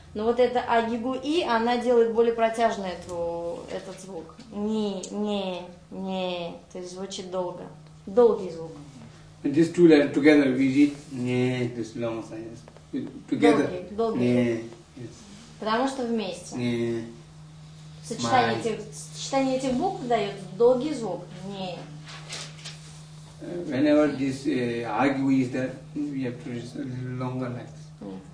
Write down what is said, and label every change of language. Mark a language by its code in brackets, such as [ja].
[ru] Но вот это а гибу и, она делает более протяжный этот звук. Ни, не, не. То есть звучит долго. Долгий звук. [en] And these two letters together, we read не, this long sentence. Together. [ru] Долгий. Не, yes. Потому что вместе. Не. Сочетание этих букв дает долгий звук. Не. [en] Whenever this argue is there, we have to read a little longer like this.